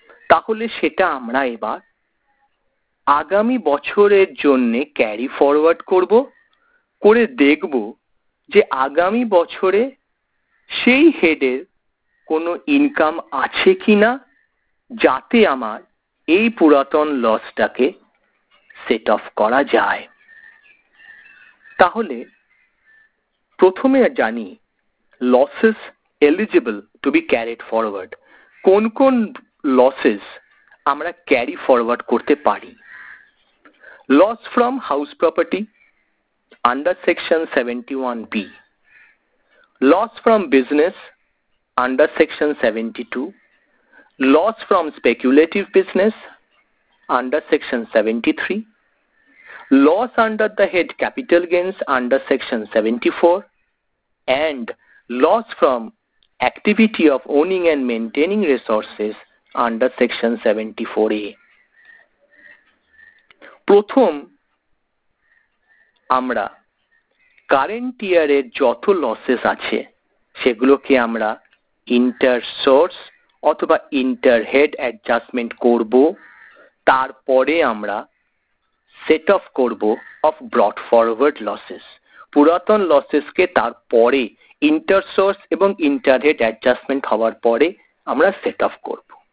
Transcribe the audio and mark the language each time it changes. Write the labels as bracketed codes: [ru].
[bn] তাহলে সেটা আমরা এবার আগামী বছরের জন্য ক্যারি ফরওয়ার্ড করব, করে দেখব যে আগামী বছরে সেই হেডের কোনো ইনকাম আছে কি না, যাতে আমার এই পুরাতন লসটাকে সেট অফ করা যায়। তাহলে প্রথমে জানি [en] losses eligible to be carried forward. [bn] কোন কোন losses আমরা carry forward করতে পারি? [en] Loss from house property under section 71B. Loss from business under section 72. Loss from speculative business under section 73. Loss under the head capital gains under section 74. And loss from activity of owning and maintaining resources under section 74A. [bn] প্রথম আমরা current ইয়ারের যত losses আছে সেগুলোকে আমরা inter source অথবা inter head adjustment করব, তারপরে আমরা সেট অফ করব অফ ব্রট ফরওয়ার্ড লসেস, পুরাতন লসেসকে তারপরে ইন্টার সোর্স এবং ইন্টার হেড অ্যাডজাস্টমেন্ট হওয়ার পরে আমরা সেট অফ করব।